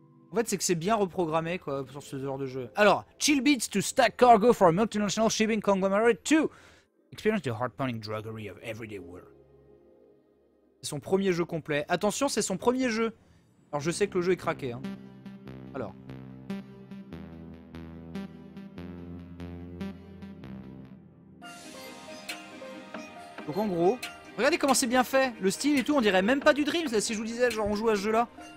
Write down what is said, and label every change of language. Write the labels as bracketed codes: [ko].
[fr] En fait, c'est que c'est bien reprogrammé quoi sur ce genre de jeu. [en] Alors, chill beats to stack cargo for a multinational shipping conglomerate to experience the heart-pounding druggery of everyday work. [fr] C'est son premier jeu complet. Attention, c'est son premier jeu. Alors, je sais que le jeu est craqué. Hein. Alors. Donc, en gros, regardez comment c'est bien fait. Le style et tout, on dirait même pas du Dreams, là, si je vous disais, genre, on joue à ce jeu-là.